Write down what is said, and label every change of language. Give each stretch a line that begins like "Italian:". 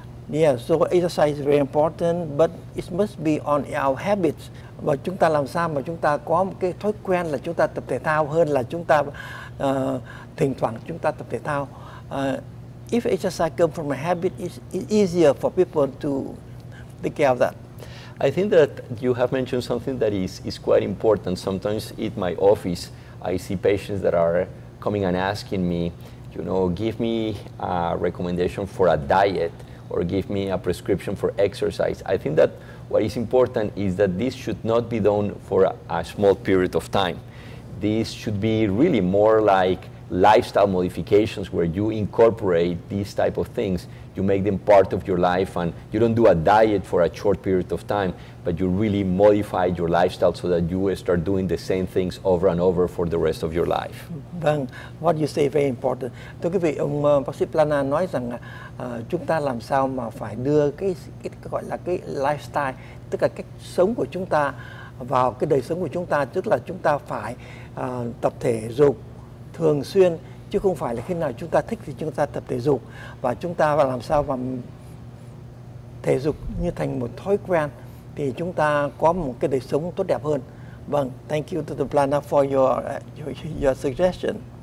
English: Yeah, so exercise is very important, but it must be on our habits.
Vietnamese: Và chúng ta làm sao mà chúng ta có một cái thói quen là chúng ta tập thể thao hơn là chúng ta thỉnh thoảng chúng ta tập thể thao.
English: If exercise comes from a habit, it's easier for people to take care of that. I think that you have mentioned something that is quite important. Sometimes in my office, I see patients that are coming and asking me, you know, give me a recommendation for a diet or give me a prescription for exercise. I think that what is important is that this should not be done for a small period of time. This should be really more like lifestyle modifications, where you incorporate these type of things, you make them part of your life, and you don't do a diet for a short period of time, but you really modify your lifestyle so that you start doing the same things over and over for the rest of your life.
Vietnamese: Vâng,
English: what you say very important.
Vietnamese: Thưa quý vị, ông bác sĩ Plana nói rằng chúng ta làm sao mà phải đưa cái gọi là cái lifestyle, tức là cách sống của chúng ta vào cái đời sống của chúng ta, tức là chúng ta phải tập thể dục thường xuyên, chứ không phải là khi nào chúng ta thích thì chúng ta tập thể dục, và chúng ta làm sao mà thể dục như thành một thói quen thì chúng ta có một cái đời sống tốt đẹp hơn. Vâng,
English: thank you to the planner for your suggestion.